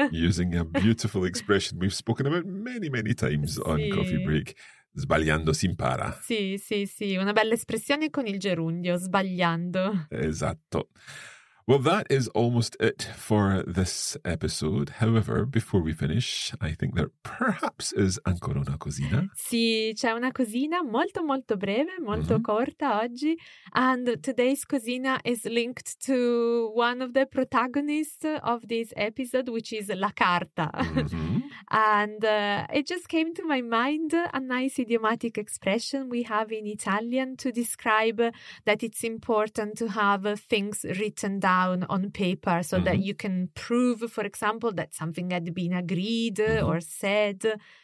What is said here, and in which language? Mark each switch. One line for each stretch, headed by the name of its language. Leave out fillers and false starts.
English: Using a beautiful expression we've spoken about many, many times on Coffee Break.
Italian: Sbagliando si impara. Sì, sì, sì. Una bella espressione con il gerundio, sbagliando. Esatto.
English: Well, that is almost it for this episode. However, before we finish, I think there perhaps is
Italian: ancora una cosina. Sì, c'è una cosina molto, molto breve, molto corta oggi.
English: And today's cosina is linked to one of the protagonists of this episode, which is la carta. And it just came to my mind, a nice idiomatic expression we have in Italian to describe that it's important to have things written down on paper so that you can prove, for example, that something had been agreed or said.